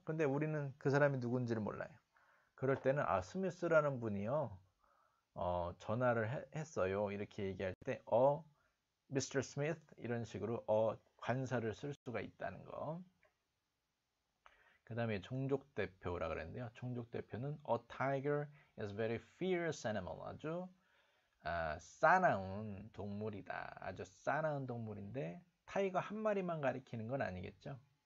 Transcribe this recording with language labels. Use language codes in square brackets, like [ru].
[ko] 근데 우리는 그 사람이 누군지를 몰라요. 그럴 때는 아, 스미스라는 분이요. 전화를 했어요. 이렇게 얘기할 때 Mr. Smith 이런 식으로 관사를 쓸 수가 있다는 거. 그다음에 종족 대표라 그랬는데요. 종족 대표는 [en] A tiger is very fierce animal. [ko] 아주 사나운 동물이다. 아주 사나운 동물인데 타이거 한 마리만 가리키는 건 아니겠죠?